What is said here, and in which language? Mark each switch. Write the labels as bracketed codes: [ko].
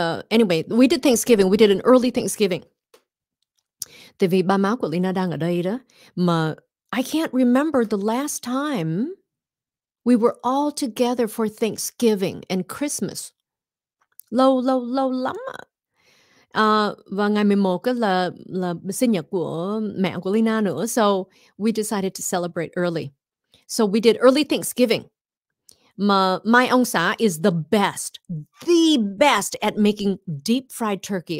[en] Anyway, we did Thanksgiving. We did an early Thanksgiving. [vi] Tại vì ba má của Leyna đang ở đây đó. [en] Mà I can't remember the last time we were all together for Thanksgiving and Christmas. [vi] Lâu lắm. Và ngày 11 là sinh nhật của mẹ của Leyna nữa. [en] So we decided to celebrate early. So we did early Thanksgiving. Mà my [vi] ông xã [en] is the best at making deep fried turkey.